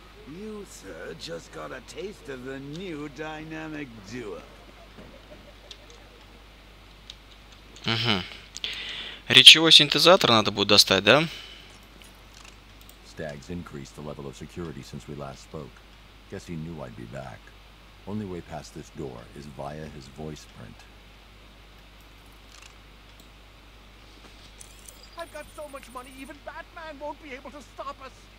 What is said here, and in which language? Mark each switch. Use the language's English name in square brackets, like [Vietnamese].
[English] You, sir, just got a taste of the new dynamic duo. [Russian] Речевой синтезатор надо будет достать, да? [English] Stag's increased the level of security since we last spoke. Guess he knew I'd be back. Only way past this door is via his voice print. I've got so much money, even Batman won't be able to stop us.